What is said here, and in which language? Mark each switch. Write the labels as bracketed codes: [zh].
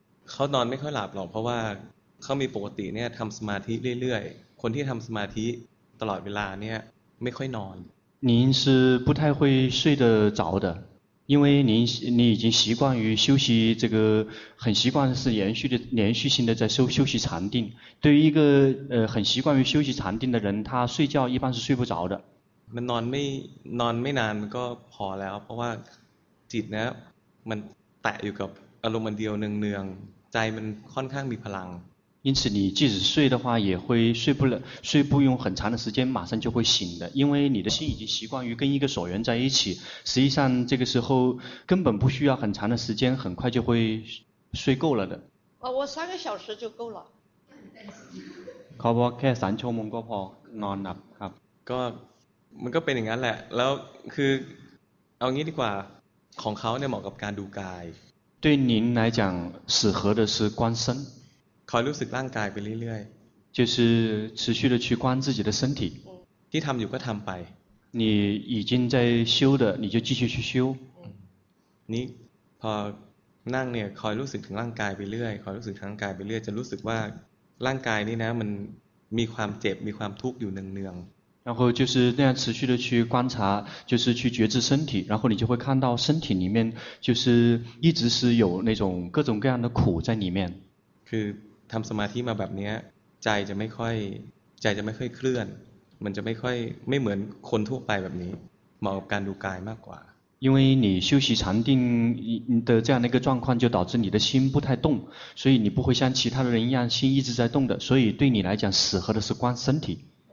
[th] เขานอนไม่ค่อยหลับหรอกเพราะว่าเขามีปกติเนี่ยทำสมาธิเรื่อยๆคนที่ทำสมาธิตลอดเวลาเนี่ยไม่ค่อยนอน [zh] 您是不太会睡得着的因为你已经习惯于休息这个很习惯是连续性的在休息禅定对于一个很习惯于休息禅定的人他睡觉一般是睡不着的 [th] มันนอนไม่นานมันก็พอแล้วเพราะว่าจิตนะมันแตะอยู่กับอารมณ์เดียวเนืองๆใจมันค่อนข้างมีพลัง [zh] 因此你即使睡的话也会睡不用很长的时间马上就会醒的因为你的心已经习惯于跟一个所缘在一起实际上这个时候根本不需要很长的时间很快就会睡够了的我三个小时就够了 [th] เขาบอกแค่สามชั่วโมงก็พอนอนหลับครับ ก็มันก็เป็นอย่างนั้นแหละแล้วคือเอางี้ดีกว่าของเขาเนี่ยเหมาะกับการดูกาย [zh] 对您来讲适合的是观身 [th] คอยรู้สึกร่างกายไปเรื่อย [zh] ๆ就是持续的去观自己的身体 [th] ที่ทำอยู่ก็ทำไป [zh] 你已经在修的你就继续去修 [th] นี่พอนั่งเนี่ยคอยรู้สึกถึงร่างกายไปเรื่อยคอยรู้สึกถึงร่างกายไปเรื่อยจะรู้สึกว่าร่างกายนี่นะมันมีความเจ็บมีความทุกข์อยู่เนือง [zh] ๆ然后就是那样持续的去观察就是去觉知身体然后你就会看到身体里面就是一直是有那种各种各样的苦在里面 [th] คือทำสมาธิมาแบบนี้ใจจะไม่ค่อยเคลื่อนมันจะไม่ค่อยไม่เหมือนคนทั่วไปแบบนี้เหมาะกับการดูกายมากกว่า [zh] 因为你休息禅定的这样的一个状况就导致你的心不太动所以你不会像其他的人一样心一直在动的所以对你来讲适合的是观身体